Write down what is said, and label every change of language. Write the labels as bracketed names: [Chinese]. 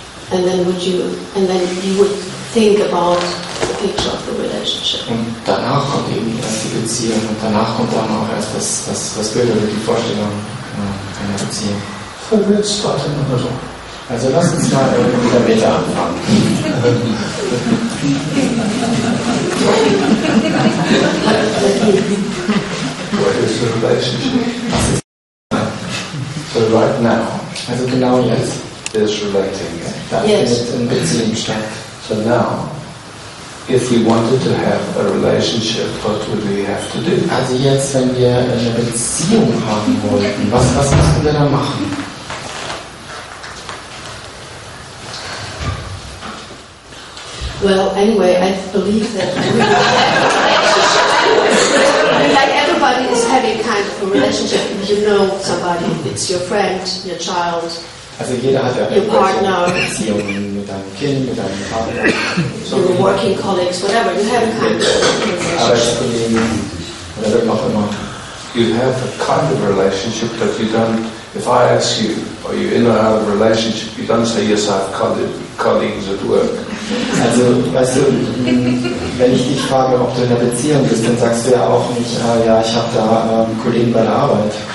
[English] And then you would think about the picture of the relationship. [German] Und danach kommt eben erst die Beziehung und danach kommt dann auch erst das Bild oder die Vorstellung einer Beziehung. [English] So we'll start in another one. [German] Also lass uns mal mit der Meta anfangen. [English] What is the relationship? So right now. [German] Also genau jetzt. [English] There's relating. [German] Da findet ein Beziehung statt. [English] So now, if we wanted to have a relationship, what would we have to do? [German] Also jetzt, wenn wir eine Beziehung haben wollten, was müssen wir da machen? [English] Well, anyway, I believe that like everybody is having kind of a relationship. You know somebody, it's your friend, your child, [German] also jeder hat ja [English] your partner, [German] mit deinem Kind, mit deinem Vater, [English] your working colleagues, whatever. You have a kind of relationship. [German] Arbeitskollegen, [English] you have a kind of relationship that you don't. If I ask you, are you in or out of a relationship, you don't say, yes, I have colleagues at work. [German] Also, weißt du, wenn ich dich frage, ob du in einer Beziehung bist, dann sagst du ja auch nicht, ja, ich habe da Kollegen bei der Arbeit.